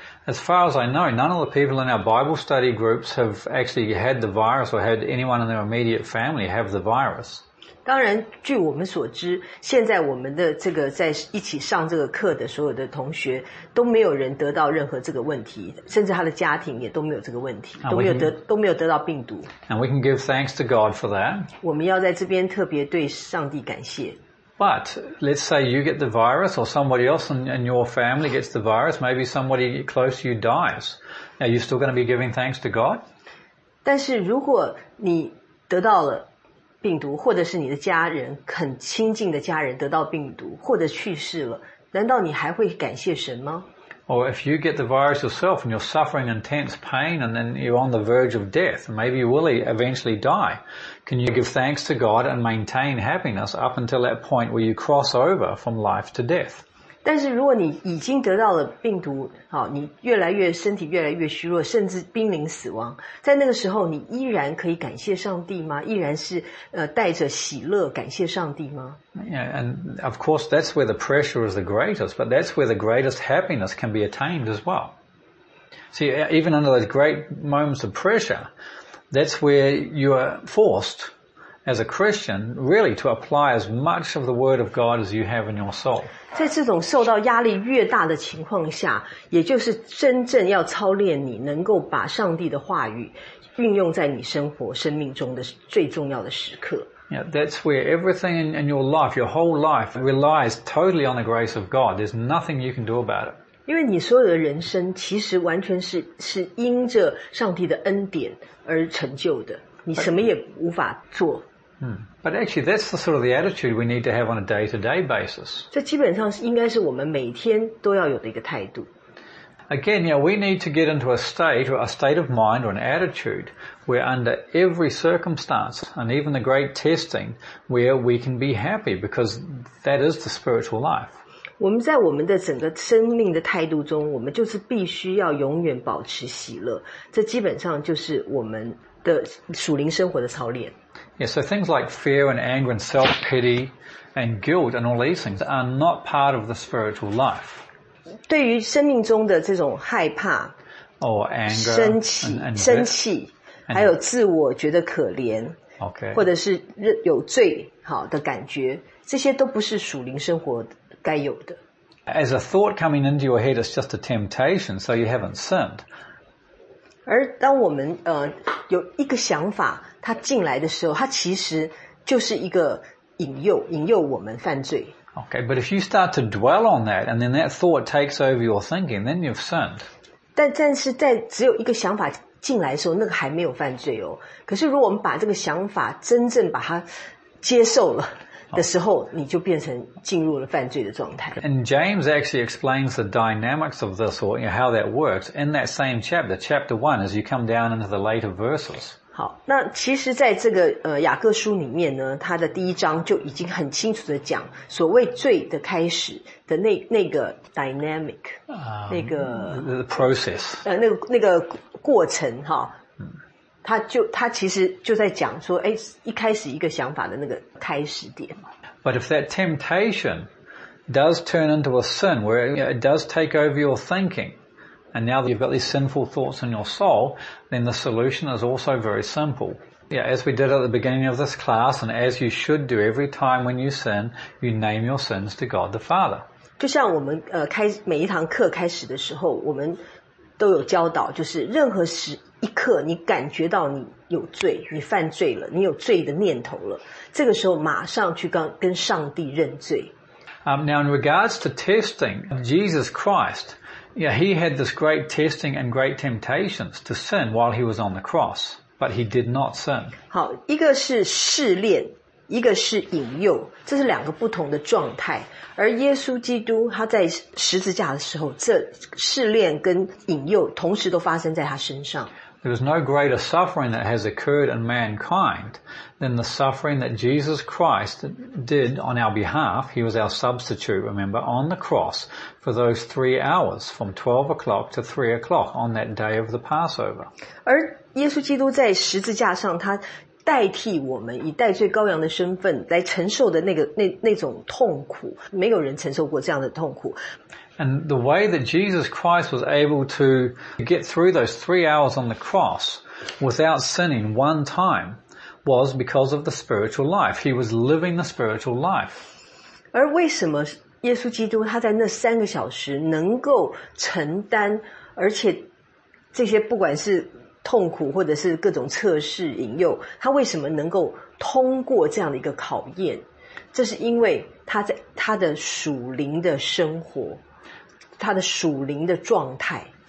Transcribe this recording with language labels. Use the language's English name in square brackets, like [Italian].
[English] As far as I know, none of the people in our Bible study groups have actually had the virus or had anyone in their immediate family have the virus. [Chinese] 当然，据我们所知，现在我们的这个在一起上这个课的所有的同学都没有人得到任何这个问题，甚至他的家庭也都没有这个问题，都没有得到病毒。 [English] And we can give thanks to God for that. [Chinese] 我们要在这边特别对上帝感谢。 [English] But let's say you get the virus or somebody else in your family gets the virus, maybe somebody close to you dies. Are you still going to be giving thanks to God? [Chinese] 但是如果你得到了病毒，或者是你的家人，很亲近的家人得到病毒，或者去世了，难道你还会感谢神吗？ [English] Or if you get the virus yourself and you're suffering intense pain and then you're on the verge of death, maybe you will eventually die. Can you give thanks to God and maintain happiness up until that point where you cross over from life to death? [Chinese] 但是如果你已经得到了病毒，好，你越来越身体越来越虚弱，甚至濒临死亡，在那个时候，你依然可以感谢上帝吗？依然是带着喜乐感谢上帝吗？ [English] Yeah, and of course that's where the pressure is the greatest, but that's where the greatest happiness can be attained as well. See, even under those great moments of pressure, that's where you are forced. As a Christian, really to apply as much of the Word of God as you have in your soul. [Chinese] 在这种受到压力越大的情况下，也就是真正要操练你能够把上帝的话语运用在你生活生命中的最重要的时刻。 [English] Yeah, that's where everything in your life, your whole life, relies totally on the grace of God. There's nothing you can do about it. [Chinese] 因为你所有的人生其实完全是因着上帝的恩典而成就的。你什么也无法做。 [English] But actually, that's the sort of the attitude we need to have on a day-to-day basis. [Chinese] 这基本上应该是我们每天都要有的一个态度。 A [English] Again, you know, we need to get into a state of mind or an attitude where under every circumstance and even the great testing, where we can be happy because that is the spiritual life. [Chinese] 我们在我们的整个生命的态度中，我们就是必须要永远保持喜乐。这基本上就是我们的属灵生活的操练。 [English] Yeah, so things like fear and anger and self-pity and guilt and all these things are not part of the spiritual life. [Chinese] 对于生命中的这种害怕 [English] or anger, [Chinese] 生气 还有自我觉得可怜 [English] okay. [Chinese] 或者是有罪好的感觉，这些都不是属灵生活该有的。 [English] As a thought coming into your head, it's just a temptation, so you haven't sinned. [Chinese] 而当我们有一个想法它进来的时候，它其实就是一个引诱我们犯罪。 [English] Okay, but if you start to dwell on that, and then that thought takes over your thinking, then you've sinned. [Chinese] 但是在只有一个想法进来的时候，那个还没有犯罪哦。可是如果我们把这个想法真正把它接受了的时候， oh. 你就变成进入了犯罪的状态。 [English] And James actually explains the dynamics of this, or you know, how that works, in that same chapter, chapter 1, as you come down into the later verses. [Chinese] 好，那其实在这个雅各书里面呢，它的第一章就已经很清楚的讲所谓罪的开始的那个 dynamic, 那个 [English] the process, [Chinese] 那个过程哈，它其实就在讲说，哎，一开始一个想法的那个开始点。 [English] But if that temptation does turn into a sin, where it does take over your thinking,And now that you've got these sinful thoughts in your soul, then the solution is also very simple. Yeah, as we did at the beginning of this class, and as you should do every time when you sin, you name your sins to God the Father. [Chinese] 就像我们每一堂课开始的时候，我们都有教导，就是任何时一刻你感觉到你有罪，你犯罪了，你有罪的念头了，这个时候马上去跟上帝认罪。 [English] Now in regards to testing Jesus Christ,Yeah, he had this great testing and great temptations to sin while he was on the cross, but he did not sin. [Chinese] 好，一个是试炼，一个是引诱，这是两个不同的状态。而耶稣基督他在十字架的时候，这试炼跟引诱同时都发生在他身上。 [English] There is no greater suffering that has occurred in mankind than the suffering that Jesus Christ did on our behalf. He was our substitute, remember, on the cross for those 3 hours from 12 o'clock to 3 o'clock on that day of the Passover. [Chinese] 而耶稣基督在十字架上他代替我们以代罪羔羊的身份来承受的那种痛苦，没有人承受过这样的痛苦。 [English] And the way that Jesus Christ was able to get through those 3 hours on the cross without sinning one time was because of the spiritual life. He was living the spiritual life. [Chinese] 而为什么耶稣基督他在那三个小时能够承担，而且这些不管是痛苦或者是各种测试引诱，他为什么能够通过这样的一个考验？这是因为他在他的属灵的生活，他的属灵的状态。